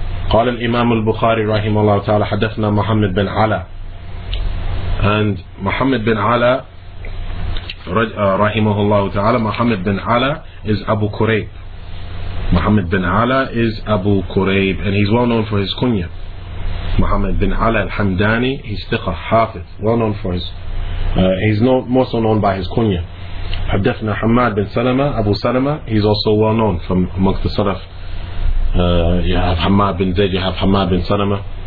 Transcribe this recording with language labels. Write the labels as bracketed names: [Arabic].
[Arabic] قال الإمام البخاري رحمه الله تعالى حدثنا محمد بن علا. [English] And محمد بن علا رحمه الله تعالى, محمد بن علا is Abu Kurayb. محمد بن علا is Abu Kurayb, and he's well known for his kunya. محمد بن علا الحمداني, he's ثقة حافظ, well known for his most known by his kunya. [Arabic] حدثنا حماد بن سلمة أبو سلمة, [English] he's also well known from among the Salaf. You have حماد بن زيد, you have حماد بن سلمة.